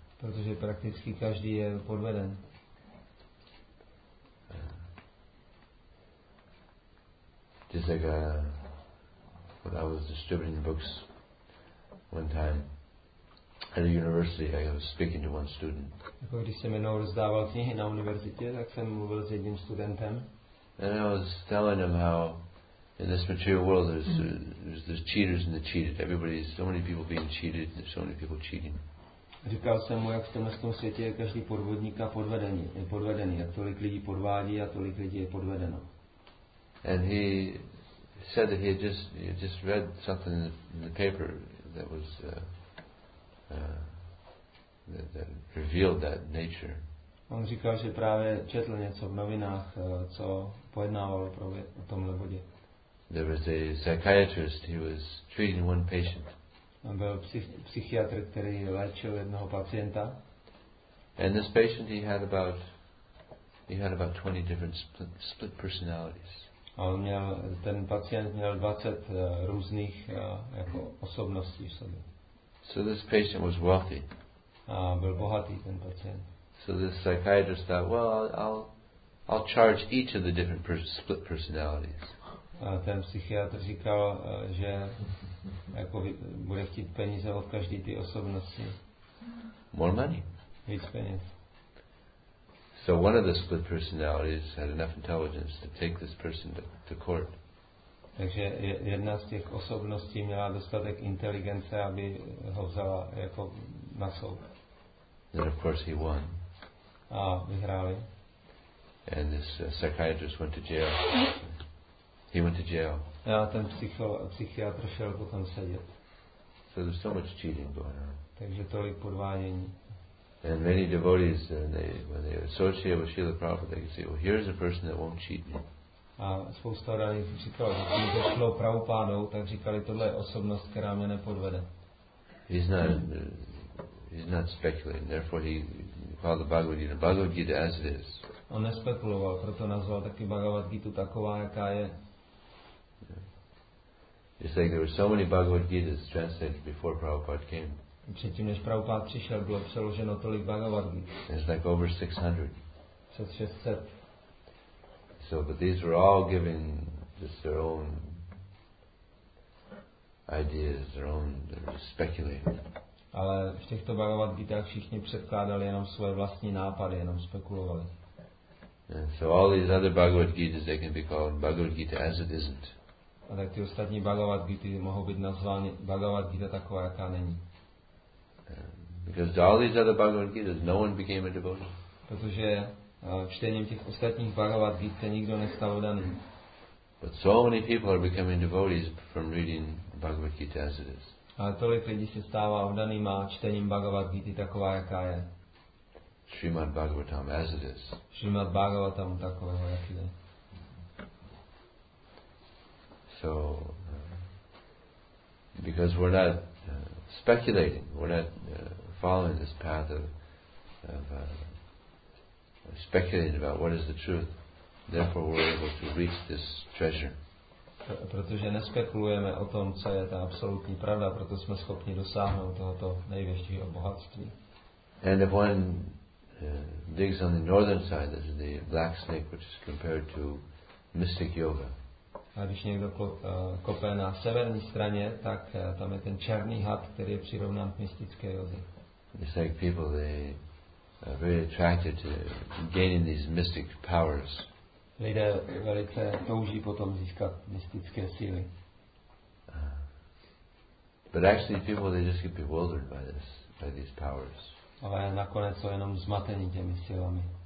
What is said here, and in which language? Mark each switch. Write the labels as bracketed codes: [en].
[cs] Protože prakticky každý je podveden. [en] Just like when I was distributing books one time at a university, I was speaking to one student. [cs] Jako když jsem jednou rozdával knihy na univerzitě, tak jsem mluvil s jedním studentem. [en] And I was telling him how in this material world there's cheaters and the cheated. Everybody's so many people being cheated, there's so many people cheating. [cs] Říkal jsem mu, jak v tomhle světě je každý podvodník a podvedený, je podvedený, jak tolik lidí podvádí a tolik lidí je podvedeno. [en] And he said that he had just read something in the paper that was that revealed that nature. [cs] On říkal, že právě četl něco v novinách, co pojednávalo právě o tomhle bodě. [en] There was a psychiatrist. He was treating one patient. [cs] On byl psychiatr, který léčil jednoho pacienta. [en] And this patient, he had about 20 different split personalities. [cs] Ten pacient měl 20 různých jako osobností v sobě. [en] So this patient was wealthy. [cs] A byl bohatý ten pacient. [en] So this psychiatrist thought, well, I'll charge each of the different split personalities. [cs] A ten psychiatr říkal, že jako bude chtít peníze od každé ty osobnosti. [en] More money. [cs] Víc peněz. [en] So one of the split personalities had enough intelligence to take this person to court. [cs] Takže jedna z těch osobností měla dostatek inteligence, aby ho vzala jako na soud. [en] Then of course he won. [cs] A vyhráli. [en] And this psychiatrist went to jail. He went to jail. [cs] Já ten psychiatr šel potom sedět. [en] So there's so much cheating going on. [cs] Takže tolik podvádění. [en] And many devotees, when they associate with Srila Prabhupada, they can say, well, here's a person that won't cheat me. [cs] A spousta lidí říkala, že když to šlo Prabhupádou, tak říkali, tohle je osobnost, která mě nepodvede. [en] He's not speculating, therefore he called the Bhagavad Gita, as it is. [cs] On nespekuloval, proto nazval taky Bhagavad Gita taková, jaká je. [en] It's like there were so many Bhagavad Gitas translated before Prabhupada came. [cs] Předtím, než Prabhupád přišel, bylo přeloženo tolik Bhagavad Gita. [en] It's like over 600. [cs] Přes 600. [en] So, but these were all given just their own ideas, their own speculating. [cs] Ale v těchto Bhagavad Gitách všichni předkládali jenom svoje vlastní nápady, jenom spekulovali. [en] And so all these other Bhagavad Gitas, they can be called Bhagavad Gita as it isn't. [cs] A tak ty ostatní Bhagavad Gity mohou být nazvány Bhagavad Gita taková, jaká není. [en] Because all these other Bhagavad Gitas, no one became a devotee. [cs] Protože čtením těch ostatních Bhagavad Gita se nikdo nestal daným. [en] But so many people are becoming devotees from reading Bhagavad Gita as it is. [cs] A tolik lidí se stává oddanýma čtením Bhagavad Gita taková, jaká je. [en] Srimad Bhagavatam as it is. [cs] Srimad Bhagavatam takového, jak je. [en] So, because we're not speculating, we're not following this path of speculating about what is the truth, therefore we're able to reach this treasure. [cs] Protože nespekulujeme o tom, co je ta absolutní pravda, proto jsme schopni dosáhnout tohoto největšího bohatství. [en] And if one digs on the northern side, there's the black snake, which is compared to mystic yoga. [cs] A když někdo kope na severní straně, tak tam je ten černý had, který je přirovnán k mystické józe. [en] It's like people, they are very attracted to gaining these mystic powers. [cs] Lidé velice touží potom získat mystické síly. [en] But actually people, they just get bewildered by these powers. [cs] Ale nakonec jsou jenom zmatení těmi silami.